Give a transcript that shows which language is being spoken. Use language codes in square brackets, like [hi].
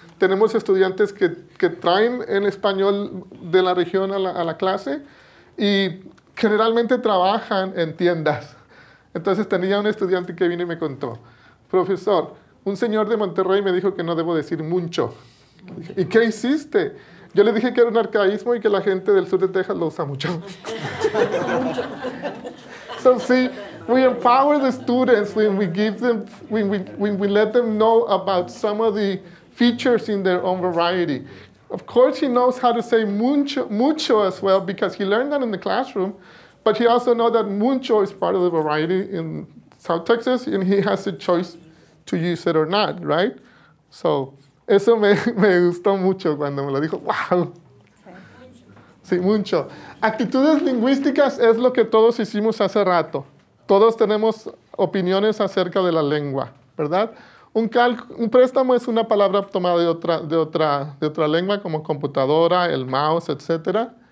[es] Tenemos estudiantes que traen el español de la región a la clase y generalmente trabajan en tiendas. Entonces tenía un estudiante que vino y me contó, profesor, un señor de Monterrey me dijo que no debo decir mucho. ¿Y qué hiciste? Yo le dije que era un arcaísmo y que la gente del sur de Texas lo usa mucho. So, sí. [en] We empower the students when we give them, when we let them know about some of the features in their own variety. Of course, he knows how to say mucho as well because he learned that in the classroom, but he also knows that mucho is part of the variety in South Texas, and he has a choice to use it or not, right? [es] So, eso me gustó mucho cuando me lo dijo. Wow. Sí, mucho. Actitudes lingüísticas es lo que todos hicimos hace rato. Todos tenemos opiniones acerca de la lengua, ¿verdad? Un préstamo es una palabra tomada de otra lengua, como computadora, el mouse, etc.